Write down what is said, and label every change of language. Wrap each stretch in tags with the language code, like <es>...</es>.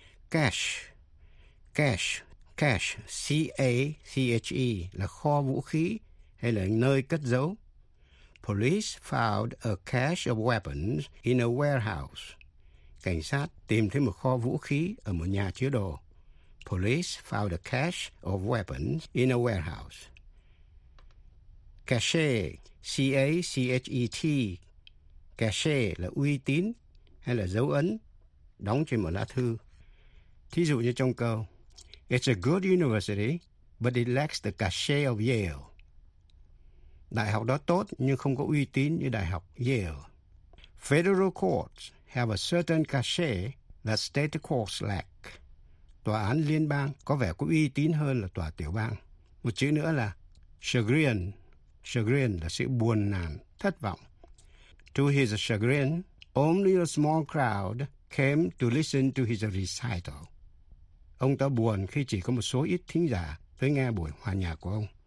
<vi>Cash, cash, cache, C-A-C-H-E, là kho vũ khí hay là nơi cất giấu.</vi> <en>Police found a cache of weapons in a warehouse.</en> <vi>Cảnh sát tìm thấy một kho vũ khí ở một nhà chứa đồ.</vi> <en>Police found a cache of weapons in a warehouse. Cache, C-A-C-H-E-T.</en> <vi>Cache là uy tín hay là dấu ấn, đóng trên một lá thư. Thí dụ như trong câu,</vi> <en>it's a good university, but it lacks the cachet of Yale.</en> <vi>Đại học đó tốt nhưng không có uy tín như đại học Yale.</vi> <en>Federal courts have a certain cachet that state courts lack.</en> <vi>Tòa án liên bang có vẻ có uy tín hơn là tòa tiểu bang. Một chữ nữa là chagrin. Chagrin là sự buồn nản, thất vọng.</vi> <en>To his chagrin, only a small crowd came to listen to his recital.</en> <vi>Ông ta buồn khi chỉ có một số ít thính giả tới nghe buổi hòa nhạc của ông.</vi>